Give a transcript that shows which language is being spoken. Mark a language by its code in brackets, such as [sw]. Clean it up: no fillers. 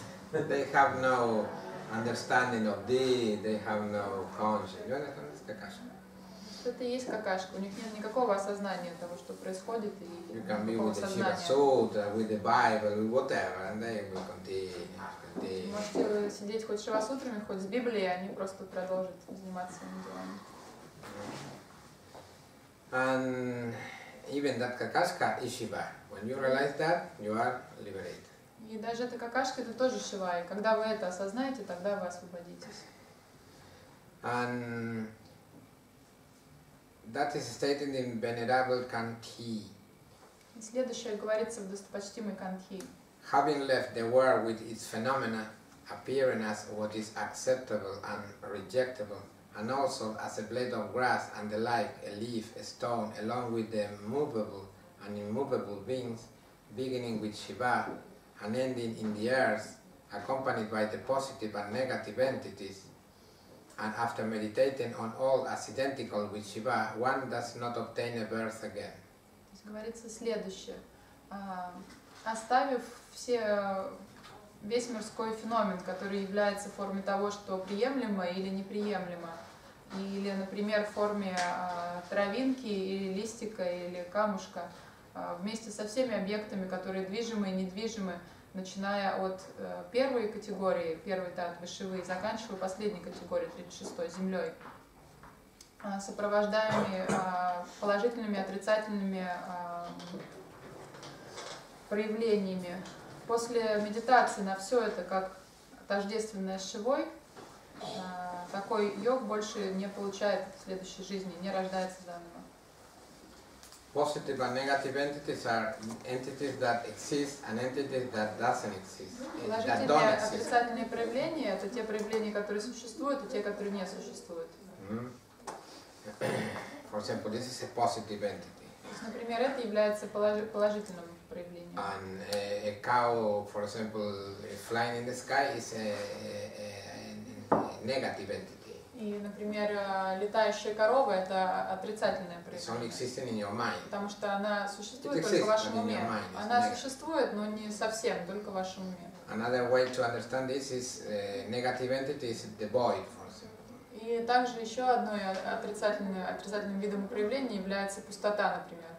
[en] They have no understanding of thee, they have no conscience. You understand this, [ru] какашка? Это есть какашка, у них нет никакого осознания того, что происходит, и [en] you can be with the Shivasutra, with the Bible, with whatever, and they will continue. [ru] Можете сидеть хоть с Шивасутрами, хоть с Библией, они просто продолжат заниматься своими делами. [en] And even that [ru] какашка [en] is Shiva. When you realize that, you are liberated. [ru] И даже эта какашка, это тоже Шива, и когда вы это осознаете, тогда вы освободитесь. [en] And that is stated in Venerable Kanthi. [ru] И следующее говорится в Достопочтимой Кантхи. [en] Having left the world with its phenomena, appearing as what is acceptable and rejectable, and also as a blade of grass and the like, a leaf, a stone, along with the movable and immovable beings, beginning with Shiva, and ending in the earth, accompanied by the positive and negative entities, and after meditating on all as identical with Shiva, one does not obtain a birth again. [ru] То есть говорится следующее. Оставив все, весь мирской феномен, который является формой того, что приемлемо или неприемлемо, или, например, в форме травинки, или листика, или камушка, вместе со всеми объектами, которые движимы и недвижимы, начиная от первой категории, первой татвы Шивы, заканчивая последней категорией, 36-й, землей, сопровождаемые положительными и отрицательными проявлениями. После медитации на все это, как тождественное с Шивой, такой йог больше не получает в следующей жизни, не рождается заново. [en] Positive and negative entities are entities that exist and entities that doesn't exist, that don't exist. [ru] Отрицательные проявления — это те проявления, которые существуют, и те, которые не существуют. [en] For example, this is a positive entity. [ru] Например, это является положительным проявлением. [en] And a cow, for example, flying in the sky is a negative entity. [ru] И, например, летающая корова — это отрицательное проявление. Потому что она существует только в вашем уме. Она существует, но не совсем, только в вашем уме. [en] Another way to understand this is negative entity is the void, for example. [ru] И также еще одной отрицательным видом проявления является пустота, например.